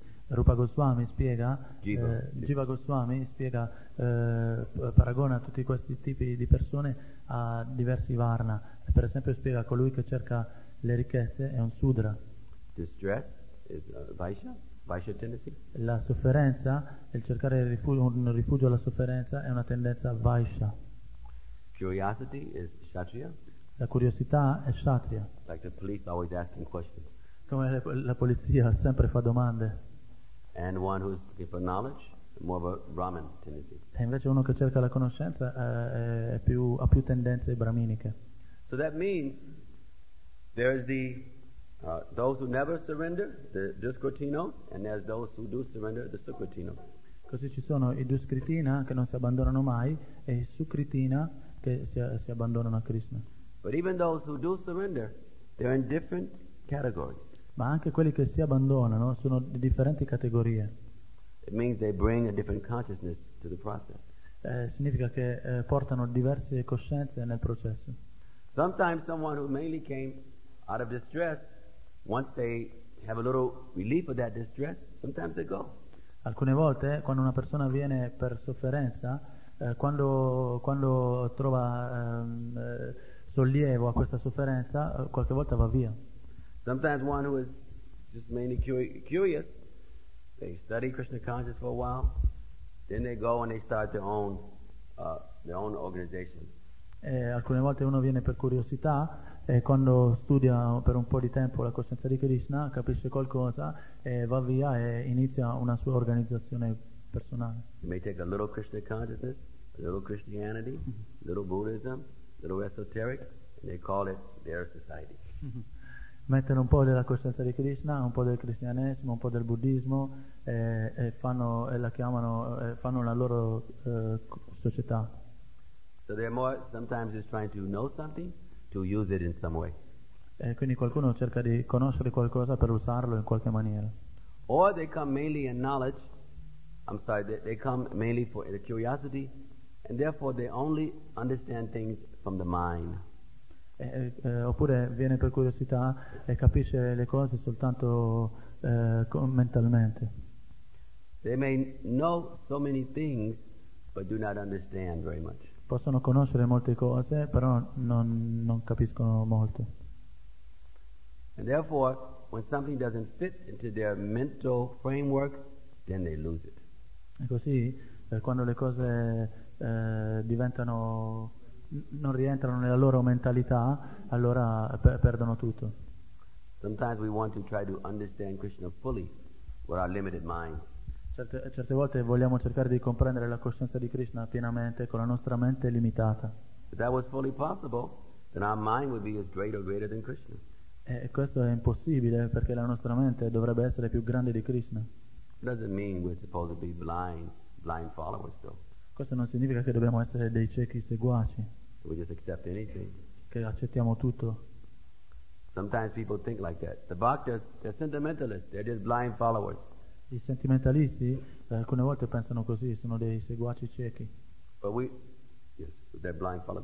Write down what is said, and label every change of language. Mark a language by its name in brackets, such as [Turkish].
[Italian] Rupa Goswami spiega, Jiva Goswami spiega, paragona tutti questi tipi di persone a diversi varna. Per esempio spiega colui che cerca le ricchezze è un Sudra. [English] Distress is Vaishya, Vaishya tendency. [Italian] La sofferenza, il cercare un rifugio alla sofferenza è una tendenza Vaishya. [English] Curiosity is Kshatriya. [Italian] La curiosità è Kshatriya. [English] Like the police always asking questions. [Italian] Come la polizia sempre fa domande. [English] And one who's looking for knowledge, more of a Brahmin tendency. [Italian] E invece uno che cerca la conoscenza ha più tendenze brahminiche. [English] So that means there is the those who never surrender, the duskritino, and there's those who do surrender, the sukritino. [Italian] Così ci sono i duskritina che non si abbandonano mai e i sukritina che si abbandonano a Krishna. [English] But even those who do surrender, they're in different categories. [Italian] Ma anche quelli che si abbandonano sono di differenti categorie. [English] It means they bring a different consciousness to the process. [Italian] Significa che portano diverse coscienze nel processo. [English] Sometimes someone who mainly came out of distress, once they have a little relief of that distress, sometimes they go. [Italian] Alcune volte, quando una persona viene per sofferenza, quando trova sollievo a questa sofferenza, qualche volta va via. [English] Sometimes one who is just mainly curious, they study Krishna consciousness for a while, then they go and they start their own organization. [Italian] E alcune volte uno viene per curiosità e quando studia per un po' di tempo la coscienza di Krishna capisce qualcosa e va via e inizia una sua organizzazione personale. [English] You may take a little Krishna consciousness, a little Christianity, a little Buddhism, a little esoteric, and they call it their society. [Italian] Mettono un po' della coscienza di Krishna, un po' del cristianesimo, un po' del buddismo e fanno la loro società. [English] So they're more sometimes just trying to know something to use it in some way. [Italian] Quindi qualcuno cerca di conoscere qualcosa per usarlo in qualche maniera. [English] Or they come mainly in knowledge. I'm sorry, they come mainly for the curiosity, and therefore they only understand things from the mind. [Italian] Oppure viene per curiosità e capisce le cose soltanto mentalmente. [English] They may know so many things, but do not understand very much. [Italian] Possono conoscere molte cose, però non capiscono molto. [English] And therefore, when something doesn't fit into their mental framework, then they lose it. [Italian] E così, quando le cose diventano non rientrano nella loro mentalità, allora perdono tutto. [English] Sometimes we want to try to understand Krishna fully with our limited mind. [Italian] Certe volte vogliamo cercare di comprendere la coscienza di Krishna pienamente con la nostra mente limitata. [English] If that was fully possible, then our mind would be as great or greater than Krishna. [Italian] E questo è impossibile perché la nostra mente dovrebbe essere più grande di Krishna. [English] It doesn't mean we're supposed to be blind followers, though. [Italian] Questo non significa che dobbiamo essere dei ciechi seguaci. [English] We just accept anything. [Italian] Che accettiamo tutto. [English] Sometimes people think like that. The bhaktas, they're sentimentalists. They're just blind followers. [Italian] I sentimentalisti alcune volte pensano così, sono dei seguaci ciechi. [English] But we, yes, they're blind followers.